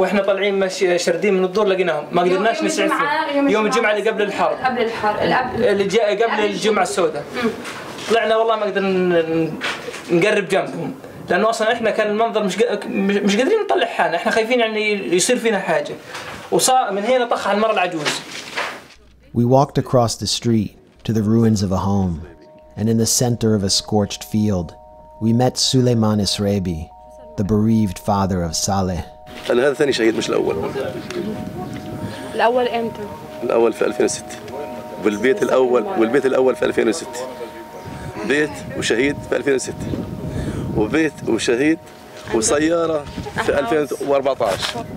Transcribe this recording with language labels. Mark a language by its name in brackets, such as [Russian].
[Arabic] واحنا طالعين ماشي شردين من الدور، لقيناهم ما قدرناش نسعفهم يوم الجمعه اللي قبل الحرب. قبل الحرب اللي جاء قبل الجمعه السوداء طلعنا، والله ما قدرنا نقرب جنبهم لانه اصلا احنا كان المنظر مش قادرين نطلع حالنا، احنا خايفين يعني يصير فينا حاجه. من هنا طخ على المره العجوز. [English] We walked across the street to the ruins of a home, and in the center of a scorched field, we met Suleiman Israbi, the bereaved father of Saleh. [Arabic] أنا هذا ثاني شهيد مش الأول. الأول أمتى؟ الأول في 2006. بالبيت الأول، والبيت الأول في 2006. بيت وشهيد في 2006. وبيت وشهيد وسيارة في 2014.